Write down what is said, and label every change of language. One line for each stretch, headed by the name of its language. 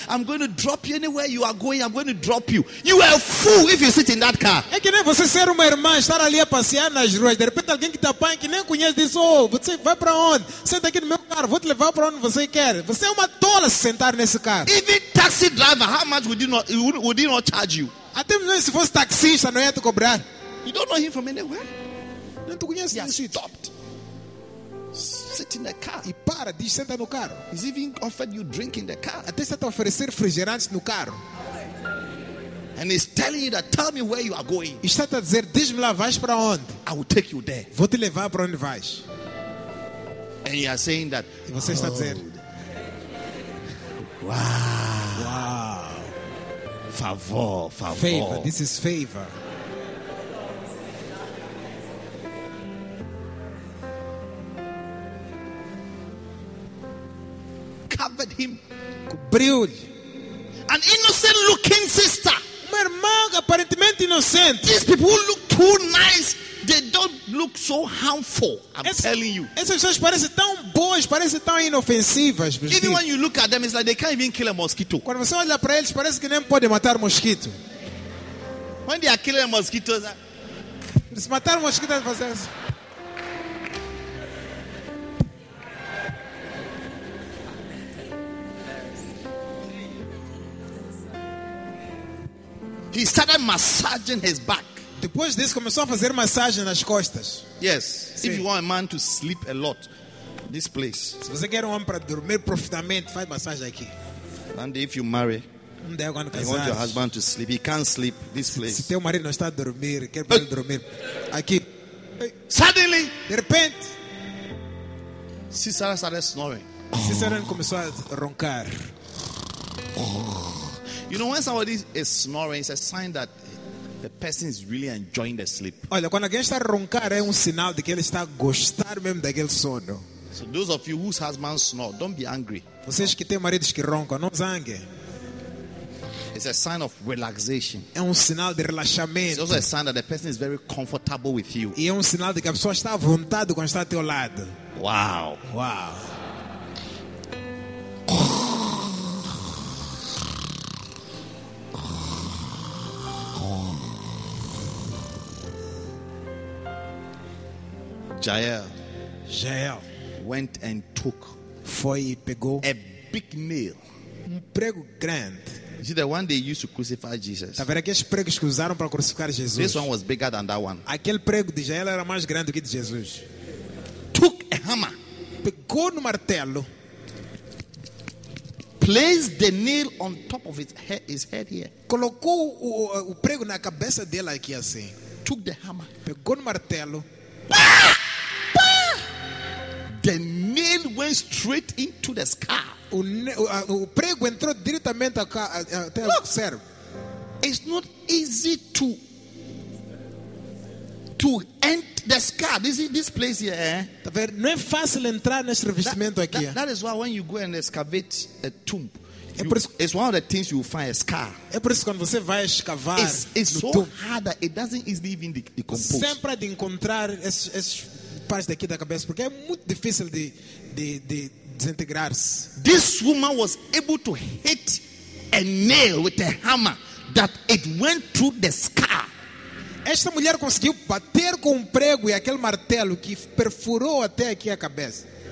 English: I'm going to drop you anywhere you are going. I'm going to drop you. You are a fool if you sit in that car.
Portuguese: É que nem você ser uma irmã, estar ali a passear nas ruas. De repente alguém que te apanha, que nem conhece, diz, oh, você vai para onde? Senta aqui no meu carro. Vou te levar para onde você quer. Você é uma tola se sentar nesse carro.
English: Even taxi driver, how much would he not charge you?
Portuguese: Até mesmo se fosse taxista, não ia te cobrar.
English: You don't know him from anywhere.
Portuguese: Não te conhece.
English: He has stopped. Sit in the car.
Portuguese: E para, diz, senta no carro.
English: He's even offered you drink in the car.
Portuguese: Até está a oferecer refrigerantes no carro.
English: And he's telling you that, tell me where you are going.
Portuguese: E está a dizer, diz-me lá, vais para onde?
English: I will take you there.
Portuguese: Vou te levar para onde vais.
English: And you are saying that.
Portuguese: E você está dizendo,
English: wow. Favor. Favor. This is favor. Covered him.
Portuguese: Cobriu-lhe.
English: An innocent looking sister.
Portuguese: Uma irmã aparentemente inocente.
English: These people who look too nice. They don't look so harmful. Telling you.
Portuguese: Essas pessoas parecem tão boas, parecem tão inofensivas.
English: Even when you look at them, it's like they can't even kill a mosquito.
Portuguese: Quando você olha para eles, parece que nem pode matar mosquito.
English: When they are killing mosquitoes,
Portuguese: eles mataram mosquitos vocês.
English: He started massaging his back.
Portuguese: Depois disso começou a fazer massagem nas costas.
English: Yes. Sim. If you want a man to sleep a lot, this place.
Portuguese: Se você quer um homem para dormir profundamente, faz massagem aqui.
English: And if you marry, You want your husband to sleep. He can't sleep this place.
Portuguese: Se teu marido não está a dormir, quer para ele dormir aqui.
English: Suddenly,
Portuguese: de repente,
English: se Sarah started snoring.
Portuguese: Se Sarah começou a roncar.
English: You know, when somebody is snoring, it's a sign that the person is really enjoying the sleep.
Portuguese: Olha, quando alguém está a roncar, é sinal de que ele está a gostar mesmo daquele sono.
English: So those of you whose husbands snore, don't be angry.
Portuguese: Vocês que têm maridos que roncam, não zangue.
English: It's a sign of relaxation.
Portuguese: É sinal de relaxamento.
English: It's also a sign that the person is very comfortable with you.
Portuguese: E sinal de que a pessoa está à vontade quando está ao teu lado.
English: Wow. Wow. Jael went and took a big nail.
Portuguese: Um prego grande.
English: You see, the one they used to crucify Jesus.
Portuguese: Tá vendo aqueles pregos que usaram para crucificar Jesus?
English: This one was bigger than that one.
Portuguese: Aquele prego de Jael era mais grande do que de Jesus.
English: Took a hammer.
Portuguese: Pegou no martelo.
English: Placed the nail on top of his head here.
Portuguese: Colocou o prego na cabeça dele aqui assim.
English: Took the hammer.
Portuguese: Pegou no martelo.
English: The nail went straight into the scar.
Portuguese: O prego entrou diretamente até o cérebro.
English: It's not easy to enter the scar. This place here.
Portuguese: Tá vendo? Não é fácil entrar nesse revestimento aqui.
English: That is why when you go and excavate a tomb, it's one of the things you find a scar.
Portuguese: É por isso quando você vai escavar,
English: it's so hard that it doesn't easily even decompose.
Portuguese: Sempre de encontrar essa parte daqui da cabeça, porque é muito difícil de desintegrar-se.
English: This woman was able to hit a nail with a hammer that it went through the scar.
Portuguese: Esta mulher conseguiu bater com um prego e aquele martelo que perfurou até aqui a cabeça.